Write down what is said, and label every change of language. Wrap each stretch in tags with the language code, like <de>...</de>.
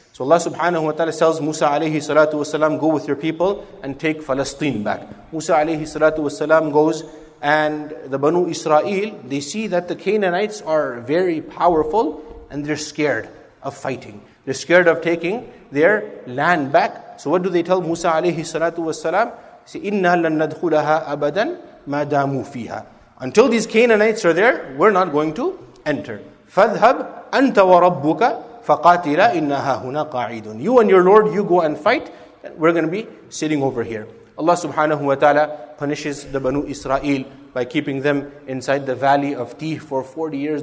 <en>So Allah subhanahu wa ta'ala tells Musa alayhi salatu wasalam, go with your people and take Palestine back. Musa alayhi salatu wasalam goes, and the Banu Israel, they see that the Canaanites are very powerful and they're scared of fighting. They're scared of taking their land back. So what do they tell Musa alayhi salatu wasalam? Say,</en> <ar>إِنَّا لَن نَدْخُلَهَا أَبَدًا مَا دَامُوا فِيهَا.</ar> <en>Until these Canaanites are there, we're not going to enter.</en> <ar>فَذْهَبْ أَنْتَ وَرَبُّكَ فَقَاتِلَا إِنَّهَا هُنَا قَاعِدٌ.</ar> <en>You and your Lord, you go and fight. We're going to be sitting over here. Allah subhanahu wa ta'ala punishes the Banu Israel by keeping them inside the valley of Tih for 40 years.</en>